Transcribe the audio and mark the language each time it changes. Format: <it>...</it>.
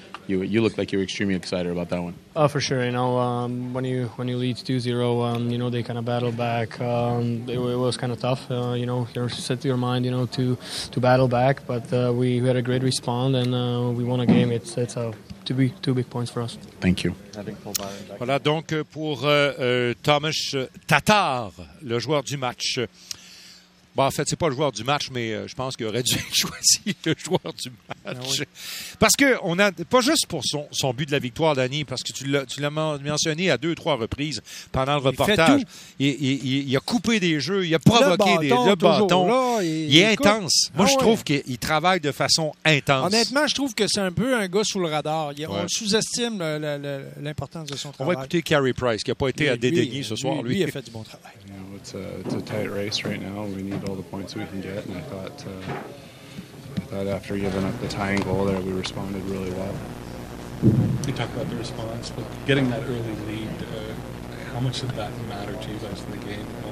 <en>You looked like you were extremely excited about that one. For sure. You know, when you lead 2-0, you know, they kind of battle back. It was kind of tough. You know, you're set to your mind, you know, to battle back. But we had a great response, and we won a game. It's a two big points for us. Thank you.</en> <fr>Voilà donc pour Thomas Tatar, le joueur du match. Bon, en fait, c'est pas le joueur du match, mais je pense qu'il aurait dû choisir le joueur du match. Ah oui. Parce que on a pas juste pour son but de la victoire, Danny, parce que tu l'as mentionné à deux ou trois reprises pendant le reportage. Il a coupé des jeux, il a provoqué le bâton. Là, il est intense. Moi, je trouve qu'il travaille de façon intense. Honnêtement, je trouve que c'est un peu un gars sous le radar. On sous-estime l'importance de son travail. On va écouter Carey Price, qui n'a pas été à dédaigner ce soir. Lui, il a fait du bon travail.</fr> <en>It's a tight race right now. We need all the points we can get, and I thought after giving up the tying goal there, we responded really well. You talked about the response, but getting that early lead, how much did that matter to you guys in the game?</en>